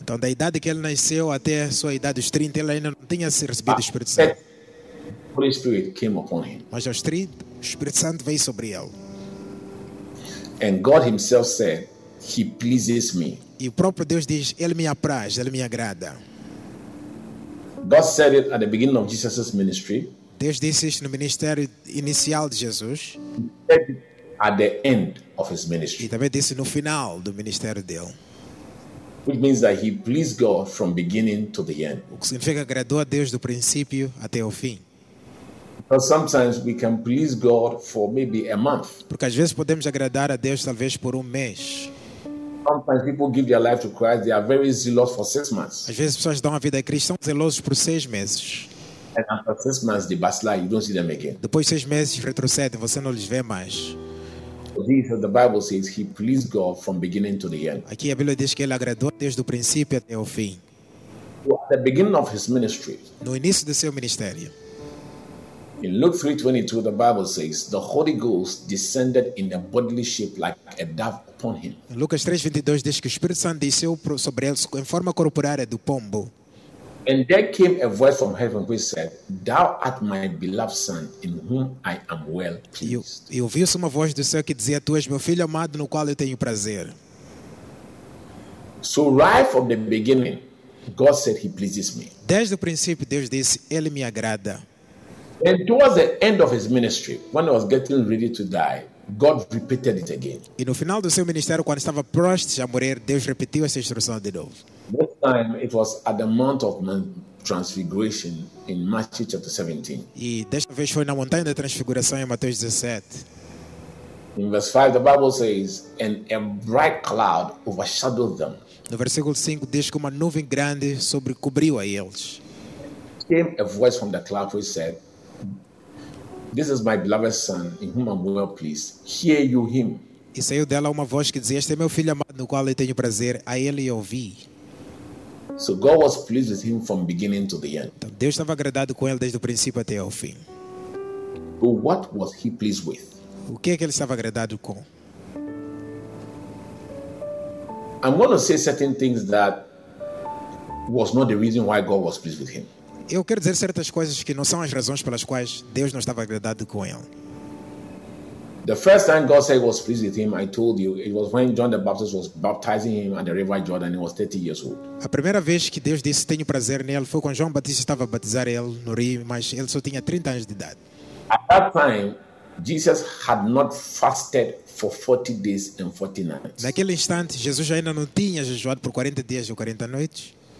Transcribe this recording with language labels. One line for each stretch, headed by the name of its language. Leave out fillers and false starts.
Portuguese: Então, da idade que ele nasceu até a sua idade dos 30, ele ainda não tinha recebido o Espírito Santo.
English: Holy Spirit came upon him.
Portuguese: Mas aos 30, o Espírito Santo veio sobre ele.
English: And God himself said, he pleases me.
Portuguese: E o próprio Deus diz, ele me apraz, ele me agrada.
English: God said it at the beginning of Jesus' ministry.
Portuguese: Deus disse isso no ministério inicial de Jesus.
English: He said it at the end of his ministry.
Portuguese: E também disse no final do ministério dele.
English: Which means that he pleased God from beginning to the end.
Portuguese: O que significa que agradou a Deus do princípio até o fim.
English: Because sometimes we can please God for maybe a month.
Portuguese: Porque às vezes podemos agradar a Deus talvez por mês.
English: Sometimes people give their life to Christ, they are very zealous for 6 months.
Portuguese: Às vezes pessoas dão a vida a Cristo, são zelosos por 6 meses.
English: And after 6 months they backslide, you don't see them again.
Portuguese: Depois de 6 meses retrocedem, você não lhes vê mais.
English: Jesus, the Bible says he pleased God from beginning to the end.
Portuguese: Aqui a Bíblia diz que ele agradou desde o princípio até o fim.
English: Well, at the beginning of his ministry.
Portuguese: No início do seu ministério.
English: In Luke 3:22, the Bible says, the Holy Ghost descended in a bodily shape like a dove upon him.
Portuguese: Em Lucas 3:22 diz que o Espírito Santo desceu sobre ele em forma corporária do pombo.
English: And there came a voice from heaven which said, thou art my beloved son, in whom I am well pleased.
Portuguese: E ouviu-se uma voz do céu que dizia, tu és meu filho amado no qual eu tenho prazer.
English: So right from the beginning, God said he pleases me.
Portuguese: Desde o princípio Deus disse, ele me agrada.
English: And towards the end of his ministry, when he was getting ready to die, God repeated it again.
Portuguese: E no final do seu ministério, quando estava prestes a morrer, Deus repetiu essa instrução de novo.
English: This time it was at the Mount of Transfiguration in Matthew chapter 17.
Portuguese: E desta vez foi na montanha da transfiguração em Mateus 17.
English: In verse 5 the Bible says, and a bright cloud overshadowed them.
Portuguese: No versículo 5 diz que uma nuvem grande sobrecobriu a eles.
English: Came a voice from the cloud which said, This is my beloved son, in whom I'm well pleased. Hear you him.
Portuguese: E saiu dela uma voz que dizia: Este é meu filho amado, no qual eu tenho prazer, a ele eu ouvi.
English: So God was pleased with him from beginning to the end.
Portuguese: Então Deus estava agradado com ele desde o princípio até ao fim.
English: But what was he pleased with?
Portuguese: O que é que ele estava agradado com?
English: I'm going to say certain things that was not the reason why God was pleased with him.
Portuguese: Eu quero dizer certas coisas que não são as razões pelas quais Deus não estava agradado com ele.
English: The first time God said he was pleased with him, I told you, it was when John the Baptist was baptizing him at the river Jordan, he was 30 years old.
Portuguese: A primeira vez que Deus disse tenho prazer nele foi quando João Batista estava a batizar ele no rio, mas ele só tinha 30 anos de idade.
English: At that time, Jesus had not fasted for 40 days and 40 nights.
Portuguese: Naquele instante, Jesus ainda não tinha jejuado por 40 dias e 40 noites.